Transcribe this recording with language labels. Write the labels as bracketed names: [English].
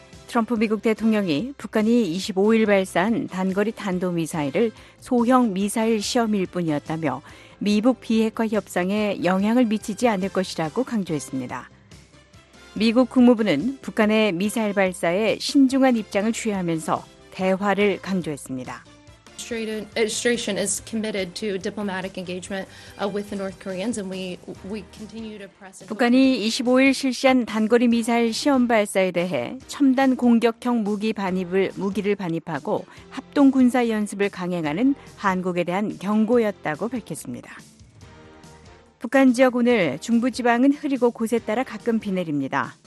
[Korean] 트럼프 미국 대통령이 북한이 25일 발사한 단거리 탄도미사일을 소형 미사일 시험일 뿐이었다며 미북 비핵화 협상에 영향을 미치지 않을 것이라고 강조했습니다. 미국 국무부는 북한의 미사일 발사에 신중한 입장을 취하면서 대화를 강조했습니다. [English] Administration is committed to diplomatic engagement with the North Koreans, and we continue to press. [Korean] 북한이 25일 실시한 단거리 미사일 시험 발사에 대해 첨단 공격형 무기를 반입하고 합동 군사 연습을 강행하는 한국에 대한 경고였다고 밝혔습니다. 북한 지역 오늘 중부 지방은 흐리고 곳에 따라 가끔 비 내립니다.